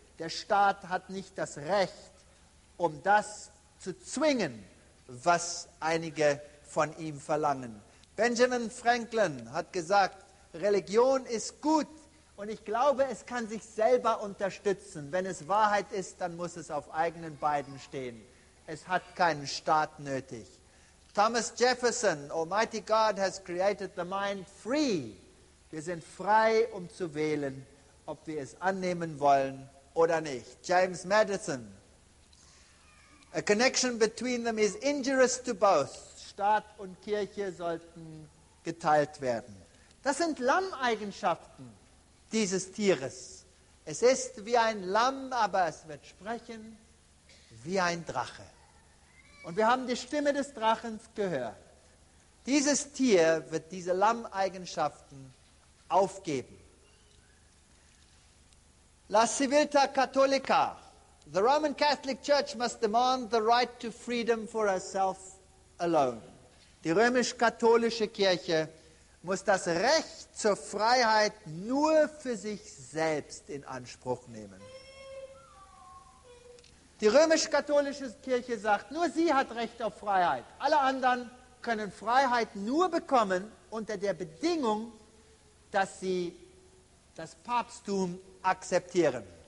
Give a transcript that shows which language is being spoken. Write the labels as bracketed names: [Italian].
[German] Der Staat hat nicht das Recht, um das zu zwingen, was einige von ihm verlangen. Benjamin Franklin hat gesagt, Religion ist gut und ich glaube, es kann sich selber unterstützen. Wenn es Wahrheit ist, dann muss es auf eigenen Beinen stehen. Es hat keinen Staat nötig. [English] Thomas Jefferson, Almighty God has created the mind free. [German] Wir sind frei, um zu wählen, ob wir es annehmen wollen oder nicht. [English] James Madison, a connection between them is injurious to both. [German] Staat und Kirche sollten geteilt werden. Das sind Lamm-Eigenschaften dieses Tieres. Es ist wie ein Lamm, aber es wird sprechen wie ein Drache. Und wir haben die Stimme des Drachens gehört. Dieses Tier wird diese Lamm-Eigenschaften aufgeben. La Civiltà Cattolica. [English] The Roman Catholic Church must demand the right to freedom for herself alone. [German] Die römisch-katholische Kirche muss das Recht zur Freiheit nur für sich selbst in Anspruch nehmen. Die römisch-katholische Kirche sagt, nur sie hat Recht auf Freiheit. Alle anderen können Freiheit nur bekommen unter der Bedingung, dass sie das Papsttum akzeptieren.